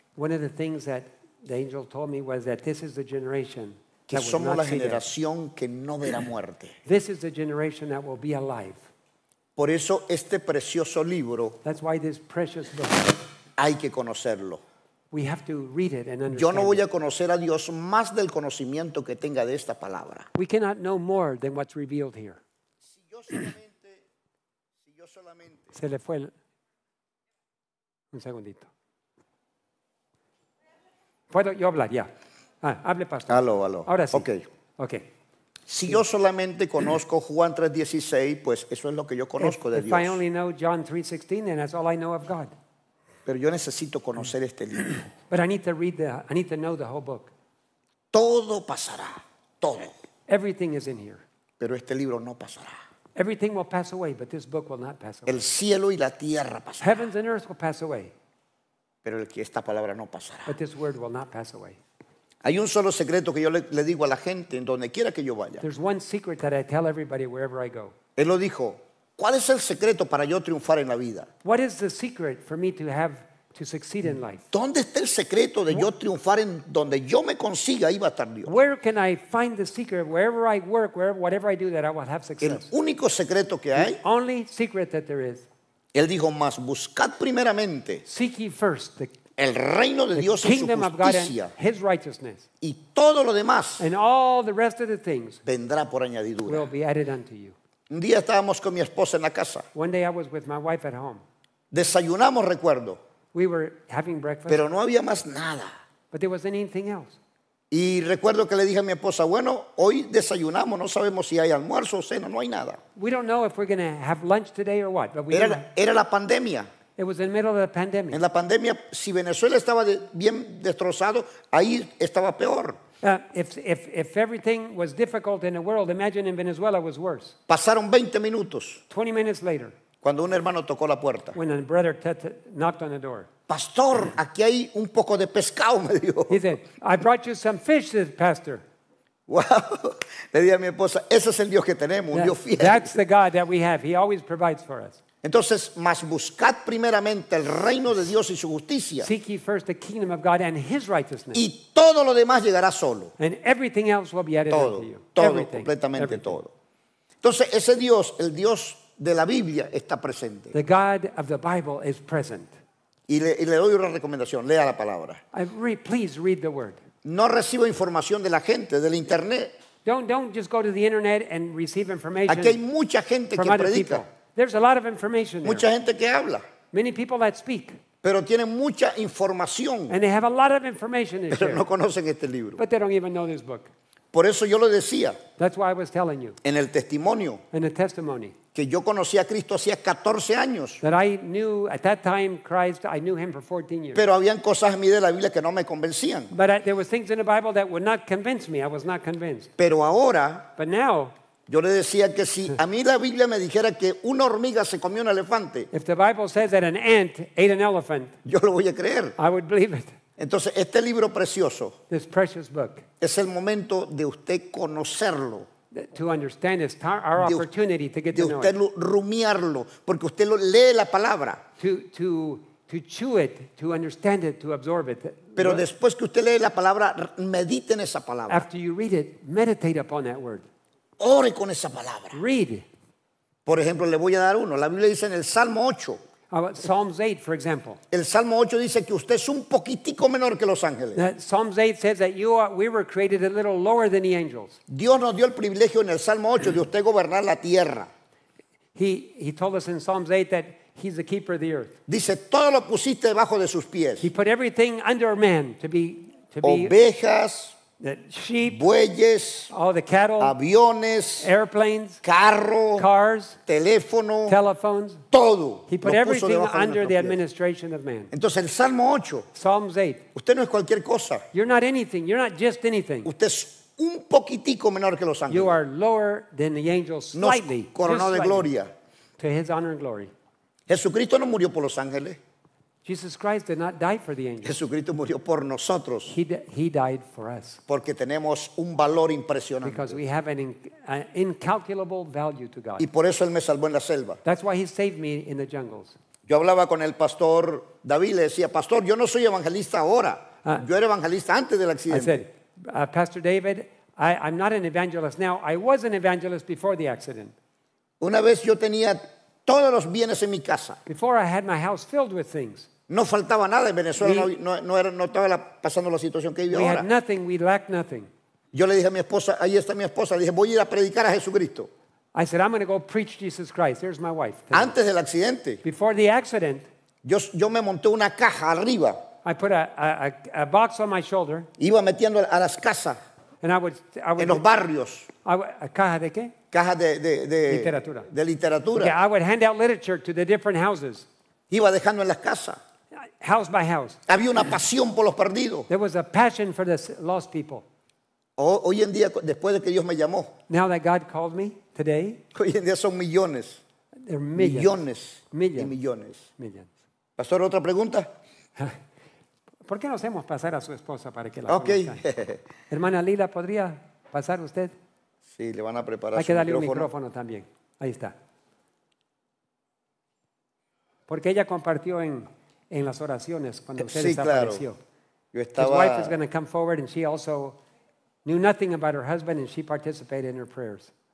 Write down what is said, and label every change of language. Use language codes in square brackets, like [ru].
[en] One of the things that the angel told me was that this is the generation [es] que somos la generación que no verá muerte. [en] This is the generation that will be alive. [es] Por eso este precioso libro, [en] that's why this precious book, [es] hay que conocerlo. [en] We have to read it and understand. [es] Yo no voy a conocer a Dios más del conocimiento que tenga de esta palabra. [en] We cannot know more than what's revealed here. [es] Si yo solamente. Se le fue el... un segundito. ¿Puedo yo hablar ya? Ah, hable, pastor. Aló. Ahora sí. Okay. Si yo solamente conozco Juan 3:16, pues eso es lo que yo conozco de Dios. [en] If I only know John 3:16, then that's all I know of God. [es] Pero yo necesito conocer este libro. [en] But I need to know the whole book. [es] Todo pasará, todo. [en] Everything is in here. [es] Pero este libro no pasará. [en] Everything will pass away, but this book will not pass away. [es] El cielo y la tierra pasarán. [en] Heavens and earth will pass away. [es] Pero esta palabra no pasará. [en] But this word will not pass away. [es] Hay un solo secreto que yo le digo a la gente en donde quiera que yo vaya. [en] There's one secret that I tell everybody wherever I go. [es] Él lo dijo. ¿Cuál es el secreto para yo triunfar en la vida? [en] What is the secret for me to succeed in life? [es] ¿Dónde está el secreto de yo triunfar en donde yo me consiga iba a estar Dios? [en] Where can I find the secret wherever I work, wherever whatever I do that I will have success? [es] El único secreto que hay. [en] The only secret that there is. [es] Él dijo más, buscad primeramente. [en] Seek ye first the [es] el reino de Dios y su justicia [en] his righteousness, [es] y todo lo demás [en] and all the rest of the things [es] vendrá por añadidura. [en] Will be added unto you. [es] Un día estábamos con mi esposa en la casa. [en] One day I was with my wife at home. [es] Desayunamos, recuerdo. [en] We were having breakfast. [es] Pero no había más nada. [en] But there wasn't anything else. [es] Y recuerdo que le dije a mi esposa, bueno, hoy desayunamos, no sabemos si hay almuerzo o cena, no hay nada. [en] We don't know if we're going to have lunch today or what. But we [es] era la pandemia. [en] It was in the middle of the pandemic. [es] En la pandemia, si Venezuela estaba bien destrozado, ahí estaba peor. [en] If everything was difficult in the world, imagine in Venezuela was worse. [es] Pasaron 20 minutos. [en] 20 minutes later. [es] Cuando un hermano tocó la puerta. [en] When a brother knocked on the door. [es] Pastor, aquí hay un poco de pescado, me dijo. [en] He said, I brought you some fish, said pastor. Wow. [es] Le di a mi esposa, ese es el Dios que tenemos, un Dios fiel. [en] That's the God that we have. He always provides for us. [es] Entonces, mas buscad primeramente el reino de Dios y su justicia. [en] Seek ye first the kingdom of God and his righteousness. [es] Y todo lo demás llegará solo. [en] And everything else will be added unto you. [es] Todo, completamente todo. Entonces, ese Dios, el Dios de la Biblia, está presente. [en] The God of the Bible is present. [es] Y le doy una recomendación, lea la palabra. [en] Please read the word. [es] No recibo información de la gente, del internet. [en] Don't just go to the internet and receive information. [es] Aquí hay mucha gente que predica. [en] People. There's a lot of information there. [es] Mucha gente que habla. [en] Many people that speak. [es] Pero tienen mucha información. [en] And they have a lot of information to [es] pero [en] share. [es] No conocen este libro. [en] But they don't even know this book. [es] Por eso yo lo decía. [en] That's why I was telling you. [es] En el testimonio. [en] In the testimony. [es] Que yo conocí a Cristo hacía 14 años. [en] That I knew at that time Christ, I knew him for 14 years. [es] Pero habían cosas en mí de la Biblia que no me convencían. [en] But there were things in the Bible that would not convince me. I was not convinced. [es] Pero ahora. [en] But now. [es] Yo le decía que si a mí la Biblia me dijera que una hormiga se comió un elefante, [en] if the Bible says that an ant ate an elephant, [es] yo lo voy a creer. [en] I would believe it. [es] Entonces, este libro precioso, [en] this precious book, [es] es el momento de usted conocerlo. [en] To understand it's our opportunity to get to know it. [es] De usted rumiarlo, porque usted lo lee la palabra. [en] To chew it, to understand it, to absorb it. [es] Pero después que usted lee la palabra, medite en esa palabra. [en] After you read it, meditate upon that word. [es] Ore con esa palabra. [en] Read. [es] Por ejemplo, le voy a dar uno. La Biblia dice en el Salmo 8. [en] Psalms 8, for example. [es] El Salmo 8 dice que usted es un poquitico menor que los ángeles. [en] Psalms 8 says that you are, we were created a little lower than the angels. [es] Dios nos dio el privilegio en el Salmo 8 de usted gobernar la tierra. [en] He told us in Psalms 8 that he's the keeper of the earth. [es] Dice, todo lo pusiste debajo de sus pies. [en] He put everything under man to be [es] ovejas, [en] that sheep, [es] bueyes, [en] all the cattle, [es] aviones, [en] airplanes, [es] carro, [en] cars, [es] teléfono, [en] telephones, [es] todo. [en] He put everything under the administration of man. [es] Entonces, el Salmo 8, [en] Psalms 8. [es] Usted no es cualquier cosa. [en] You're not anything. You're not just anything. [es] Usted es un poquitico menor que los ángeles. [en] You are lower than the angels slightly. [es] Nos coronó de gloria. [en] To his honor and glory. [es] Jesucristo no murió por los ángeles. [en] Jesus Christ did not die for the angels. [es] Jesucristo murió por nosotros. [en] He died for us. [es] Porque tenemos un valor impresionante. [en] Because we have an incalculable value to God. [es] Y por eso él me salvó en la selva. [en] That's why he saved me in the jungles. [es] Yo hablaba con el pastor David, le decía, pastor, yo no soy evangelista ahora. Yo era evangelista antes del accidente. [en] I said, Pastor David, I'm not an evangelist now. I was an evangelist before the accident. [es] Una vez yo tenía todos los bienes en mi casa. [en] Before I had my house filled with things. [es] No faltaba nada en Venezuela. No estaba pasando la situación que vivía ahora. [en] We had nothing. We lacked nothing. Yo le dije a mi esposa, ahí está mi esposa. Le dije, voy a ir a predicar a Jesucristo. I said, I'm going to go preach Jesus Christ. There's my wife. Today. [es] Antes del accidente. [en] Before the accident. [es] Yo me monté una caja arriba. [en] I put a box on my shoulder. [es] Iba metiendo a las casas. [en] And I would [es] en los barrios. A caja de qué? Caja de literatura. De literatura. [en] Okay, I would hand out literature to the different houses. [es] Iba dejando en las casas. [en] House by house. [es] Había una pasión por los perdidos. [en] There was a passion for the lost people. [es] Hoy en día, después de que Dios me llamó. [en] Now that God called me today. [es] Hoy en día son millones. [en] There are millions. [es] Millones. [en] Millions. [es] Y millones. [en] Millions. [es] Pastor, otra pregunta. ¿Por qué no hacemos pasar a su esposa para que la conozca? Hermana Lila, ¿podría pasar usted? Sí, le van a preparar hay su que darle micrófono. Un micrófono también. Ahí está. Porque ella compartió en las oraciones cuando usted sí, desapareció. Claro. Yo estaba... [en] His wife is going to come forward and she also knew nothing about her husband and she participated in her prayers.